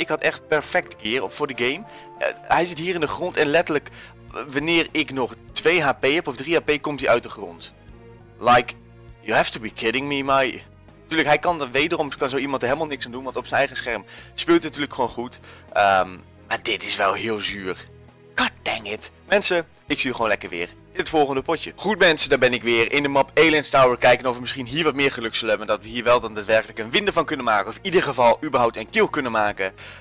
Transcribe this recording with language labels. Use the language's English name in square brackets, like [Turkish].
[Dutch] Ik had echt perfect gear voor de game. Hij zit hier in de grond en letterlijk wanneer ik nog 2 HP heb of 3 HP komt hij uit de grond. [English] Like, you have to be kidding me, my... [Dutch] Natuurlijk, hij kan er wederom, kan zo iemand er helemaal niks aan doen, want op zijn eigen scherm speelt hij natuurlijk gewoon goed. Maar dit is wel heel zuur. [English] God dang it. [Dutch] Mensen, ik zie je gewoon lekker weer in het volgende potje. Goed mensen, daar ben ik weer in de map Aliens Tower. Kijken of we misschien hier wat meer geluk zullen hebben. Dat we hier wel dan daadwerkelijk een winde van kunnen maken. Of in ieder geval überhaupt een kill kunnen maken.